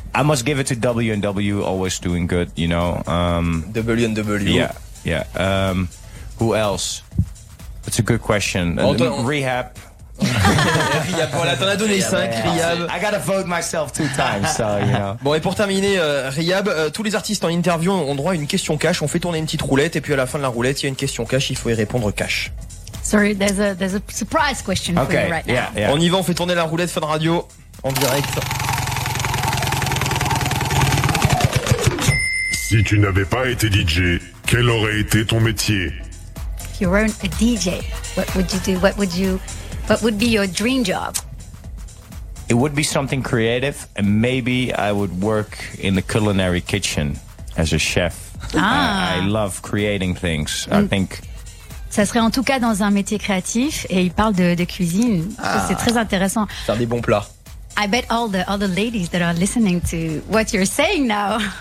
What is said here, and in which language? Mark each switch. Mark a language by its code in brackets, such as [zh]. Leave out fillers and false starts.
[en] I must give it to W&W, always doing good. You know. W&W. Yeah, yeah. Who else? It's a good question. Rehab. [fr] Voilà, t'en as donné 5, Rehab. [en] I gotta vote myself 2 times, so, you know. [fr] Bon, et pour terminer, Rehab, tous les artistes en interview ont droit à une question cash. On fait tourner une petite roulette, et puis à la fin de la roulette, il y a une question cash, il faut y répondre cash. [en] Sorry, there's a surprise question for okay. you right yeah, now. Yeah. [fr] On y va, on fait tourner la roulette Fun Radio en direct. Si tu n'avais pas été DJ, quel aurait été ton métier? [en] You weren't a DJ, what would you do? What would be your dream job? It would be something creative, and maybe I would work in the culinary kitchen as a chef. Ah. I love creating things. I think. [fr] Ça serait en tout cas dans un métier créatif, et il parle de cuisine. Ah. C'est très intéressant. Faire des bons plats. [en] I bet all the ladies that are listening to what you're saying now.